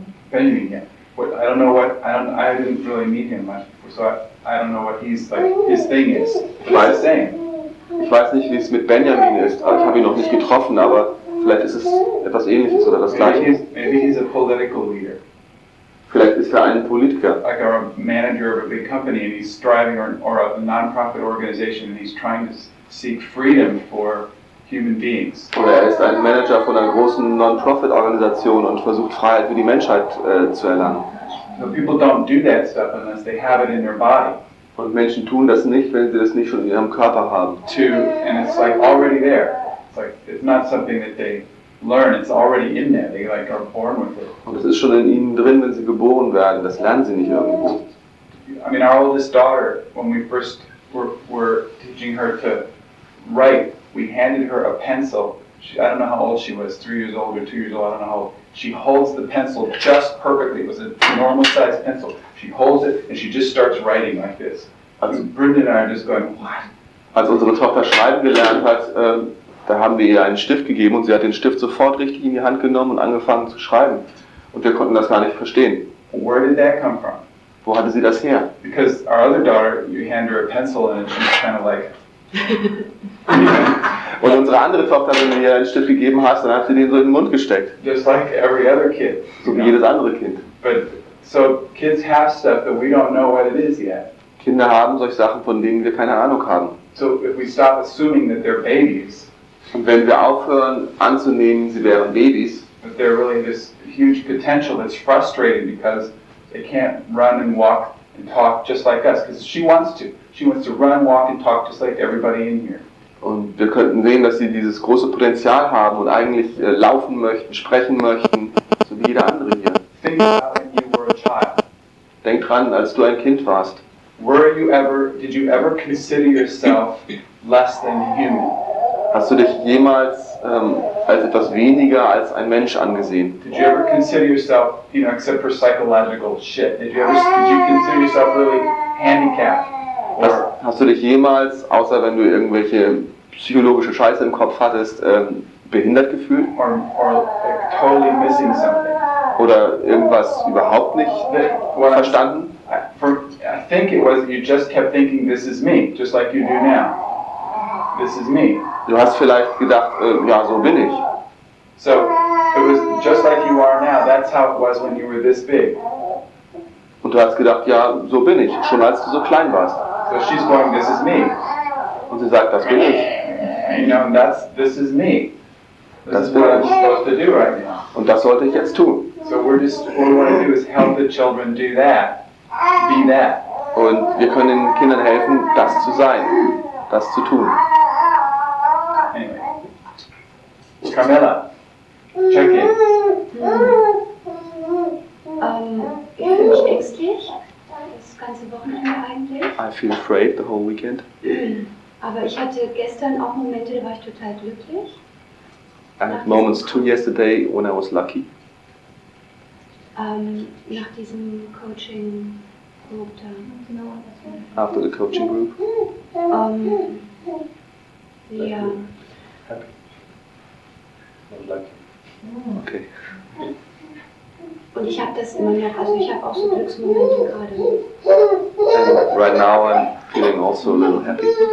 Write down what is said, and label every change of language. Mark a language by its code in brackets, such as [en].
[en] Benjamin, yeah. I didn't really meet him much, so I don't know what he's, like, his thing is. [de] Ich weiß nicht, wie es mit Benjamin ist, ich habe ihn noch nicht getroffen, aber vielleicht ist es etwas Ähnliches oder das Gleiche. [en] Maybe he's a political leader. [de] Vielleicht ist er ein Politiker. [en] Like a manager of a big company and he's striving, or a non-profit organization and he's trying to seek freedom for human beings. [de] Oder er ist ein Manager von einer großen non-profit Organisation und versucht Freiheit für die Menschheit zu erlangen. [en] So people don't do that stuff unless they have it in their body. [de] Und Menschen tun das nicht, wenn sie das nicht schon in ihrem Körper haben. [en] And it's like already there. It's like it's not something that they learn, it's already in there. They like are born with it. [de] Und es ist schon in ihnen drin, wenn sie geboren werden. Das lernen sie nicht irgendwo. [en] I mean, our oldest daughter, when we first were teaching her to write, we handed her a pencil. I don't know how old she was, 3 years old or 2 years old, I don't know how old. She holds the pencil just perfectly. It was a normal sized pencil. She holds it and she just starts writing like this. [de] Also, [en] Brendan and I are just going, what? [de] Als unsere Tochter schreiben gelernt hat, da haben wir ihr einen Stift gegeben und sie hat den Stift sofort richtig in die Hand genommen und angefangen zu schreiben. Und wir konnten das gar nicht verstehen. [en] Where did that come from? [de] Wo hatte sie das her? [en] Because our other daughter, you hand her a pencil and she's kind of like... [de] Und unsere andere Tochter, wenn du ihr einen Stift gegeben hast, dann hat sie den so in den Mund gesteckt. [en] Just like every other kid. [de] So wie jedes andere Kind. [en] But, so kids have stuff that we don't know what it is yet. [de] Kinder haben solche Sachen, von denen wir keine Ahnung haben. [en] So if we stop assuming that they're babies... [de] Und wenn wir aufhören anzunehmen, sie wären Babys, [en] but they're really this huge potential that's frustrating because they can't run and walk and talk just like us. Because she wants to. She wants to run, walk and talk just like everybody in here. [de] Und wir könnten sehen, dass sie dieses große Potenzial haben und eigentlich laufen möchten, sprechen möchten, so wie jeder andere hier. [en] Think about when you were a child. [de] Denk dran, als du ein Kind warst. [en] Did you ever consider yourself less than human? [de] Hast du dich jemals als etwas weniger als ein Mensch angesehen? [en] Did you ever consider yourself, you know, except for psychological shit, did you consider yourself really handicapped? [de] Hast du dich jemals, außer wenn du irgendwelche psychologische Scheiße im Kopf hattest, behindert gefühlt? [en] Or like totally missing something? [de] Oder irgendwas überhaupt nicht verstanden? [en] I think it was you just kept thinking this is me, just like you do now. This is me. [de] Du hast vielleicht gedacht, ja, so bin ich. [en] So, it was just like you are now. That's how it was when you were this big. [de] Und du hast gedacht, ja, so bin ich, schon als du so klein warst. [en] So she's going, this is me. [de] Und sie sagt, das bin ich. [en] You know, that's, this is me. This is what I'm supposed to do right now. [de] Und das sollte ich jetzt tun. [en] So what we want to do is help the children do that, be that. [de] Und wir können den Kindern helfen, das zu sein, das zu tun. [en] Carmela, check in. [de] Ich bin ängstlich, das ganze Wochenende eigentlich. [en] I feel afraid the whole weekend. [de] Aber ich hatte gestern auch Momente, da war ich total glücklich. [en] I had moments too yesterday when I was lucky. [de] Nach diesem Coaching Group da. [en] After the coaching group? Okay. [de] Und ich habe das immer noch, also ich habe auch so Glücksmomente gerade. [en] And right now I'm feeling also a little happy.